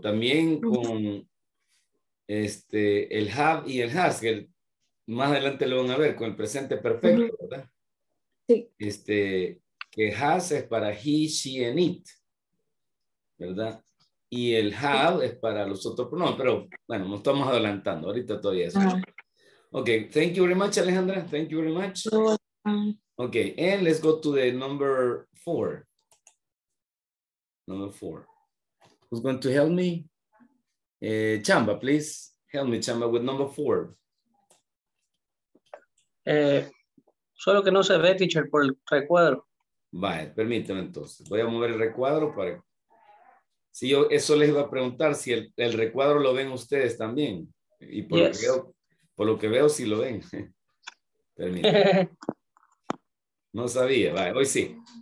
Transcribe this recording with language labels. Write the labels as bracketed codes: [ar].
[es] También con el have y el has, que más adelante lo van a ver con el presente perfecto, ¿verdad? Sí. Que has es para [en] he, she, and it, [es] ¿verdad? Y el have es para los otros pronombres, pero bueno, nos estamos adelantando ahorita todavía. Eso. [en] Ok, thank you very much, Alejandra. Thank you very much. Ok, and let's go to the number four. Who's going to help me? Chamba, please help me, Chamba, with number four. [es] Solo que no se ve, teacher, por el recuadro. Vale, permíteme entonces. Voy a mover el recuadro para... Sí, yo eso les iba a preguntar, si el recuadro lo ven ustedes también. Y por, yes. por lo que veo, sí lo ven. Permíteme. No sabía. Vale, hoy sí.